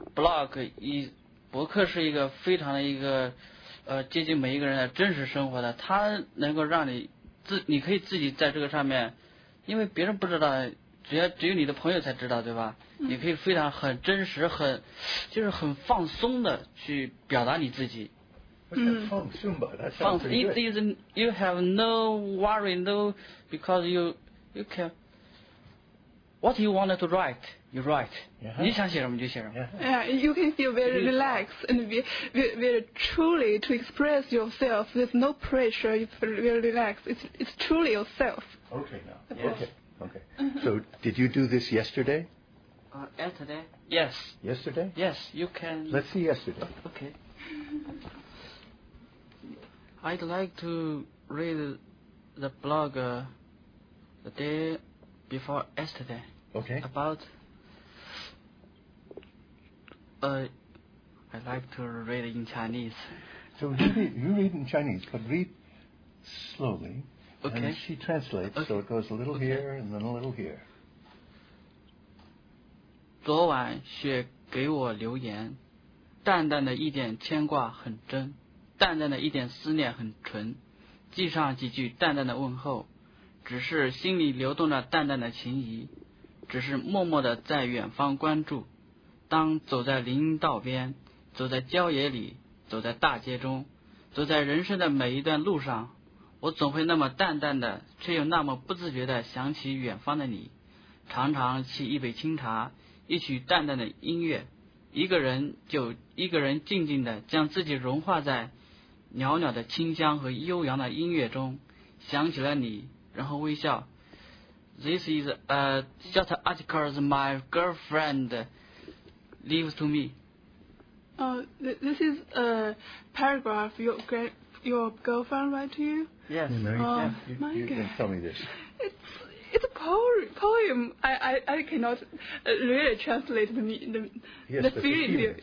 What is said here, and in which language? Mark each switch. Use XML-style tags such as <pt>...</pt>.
<zh>Blog 博客是一个非常的一个接近每一个人的真实生活的，它能够让你可以自己在这个上面，因为别人不知道，只有你的朋友才知道，对吧？你可以非常很真实，就是很放松的去表达你自己。放松吧，他放松。</zh> <en>It is you have no worry, no, because you can. What you wanted to write, you write. Yeah.</en> <zh>你想写什么就写什么。</zh> <en>Yeah, you can feel very relaxed and very truly to express yourself. There's no pressure. You feel very relaxed. It's truly yourself. Okay, now. Okay. So, did you do this yesterday? Yesterday? Yes. Yesterday? Yes, you can... Let's see yesterday. Okay. I'd like to read the blog the day before yesterday. Okay. About... I'd like to read in Chinese. So, you read in Chinese, but read slowly... Okay. And she translates, okay. So it goes a little here and then a little here.</en> <zh>昨晚雪给我留言，淡淡的一点牵挂很真，淡淡的一点思念很纯，记上几句淡淡的问候，只是心里流动着淡淡的情谊，只是默默的在远方关注，当走在林道边，走在郊野里，走在大街中，走在人生的每一段路上，我总会那么淡淡的，却又那么不自觉的想起远方的你，常常沏一杯清茶，一曲淡淡的音乐，一个人就一个人静静的将自己融化在袅袅的清香和悠扬的音乐中，想起了你，然后微笑。</zh> <en>This is just articles my girlfriend leaves to me. This is a paragraph your girlfriend write to you? Yes. You can tell me this. It's a poem. I cannot really translate the feeling.</en>